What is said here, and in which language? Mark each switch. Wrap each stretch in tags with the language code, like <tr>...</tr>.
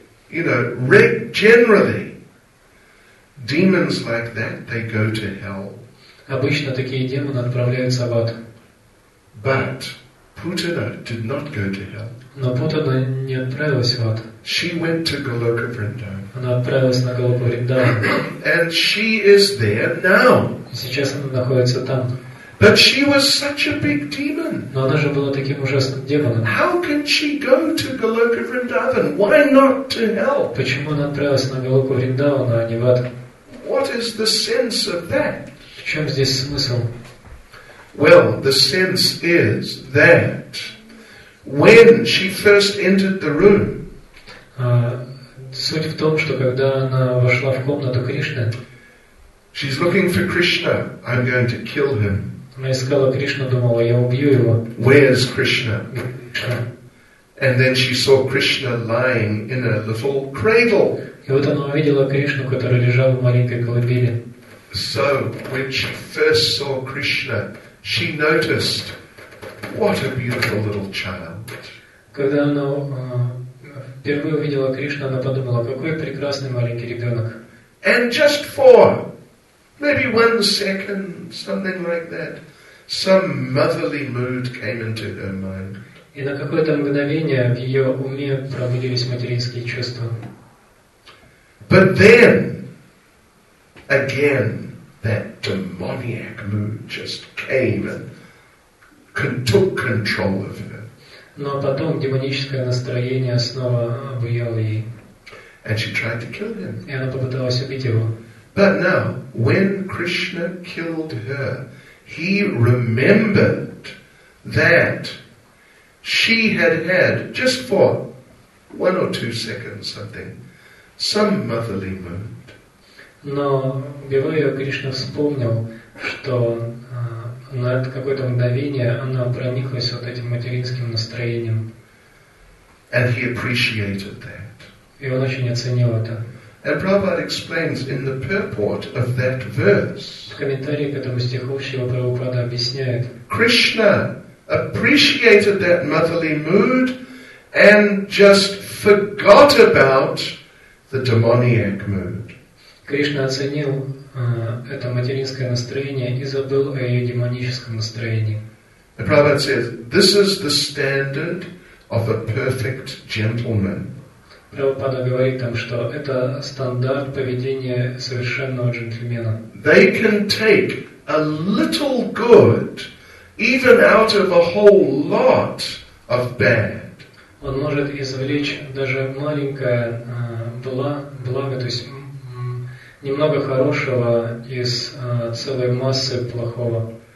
<en>You know, generally, demons like that, they go to hell.</en> <ru>Обычно такие демоны отправляются в ад.</ru> <en>But Putana did not go to hell.</en> <ru>Но Путана не отправилась в ад.</ru> <en>She went to Goloka Vrindavan.</en> <ru>Она отправилась на Голоку Вриндаван.</ru> <en>And she is there now.</en> <ru>Сейчас она находится там.</ru> <en>But she was such a big demon.</en> <ru>Но она же была таким ужасным демоном.</ru> <en>How can she go to Goloka Vrindavan? Why not to hell?</en> <ru>Почему она отправилась на Голоку Вриндавана, а не в ад?</ru> <en>What is the sense of that?</en> <ru>В чем здесь смысл?</ru> <en>Well, the sense is that when she first entered the room,</en> <ru>суть в том, что когда она вошла в комнату Кришны,</ru> <en>she's looking for Krishna. I'm going to kill him.</en> <ru>Она искала Кришну, думала, я убью его.</ru> <en>Where is Krishna? And then she saw Krishna lying in a little cradle.</en> <ru>И вот она увидела Кришну, который лежал в маленькой колыбели.</ru> <en>So when she first saw Krishna, she noticed, what a beautiful little child.</en> <ru>Когда она впервые увидела Кришну, она подумала, какой прекрасный маленький ребенок.</ru> <en>And just for maybe 1 second, something like that, some motherly mood came into her mind.</en> <ru>И на какое-то мгновение в ее уме пробудились материнские чувства.</ru> <en>But then, again, that demoniac mood just came and took control of her.</en> <ru>Но потом демоническое настроение снова объяло ей.</ru> <en>And she tried to kill him.</en> <ru>И она попыталась убить его.</ru> <en>But now, when Krishna killed her, he remembered that she had had, just for 1 or 2 seconds, something, some motherly mood.</en> <ru>Но убивая ее, Кришна вспомнил, что на какое-то мгновение она прониклась вот этим материнским настроением.</ru> <en>And he appreciated that.</en> <ru>И он очень оценил это.</ru> <en>And Prabhupada explains in the purport of that verse.</en> <ru>В комментарии к этому стиху Шрила Прабхупада объясняет.</ru> <en>Krishna appreciated that motherly mood and just forgot about the demoniac mood.</en> <ru>Кришна оценил это материнское настроение и забыл о ее демоническом настроении.</ru> <en>And Prabhupada says, this is the standard of a perfect gentleman.</en> <ru>Прабхупада говорит там, что это стандарт поведения совершенного джентльмена.</ru> <en>They can take a little good even out of a whole lot of bad.</en> <ru>Он может извлечь даже маленькое благо, то есть немного хорошего из целой массы плохого.</ru>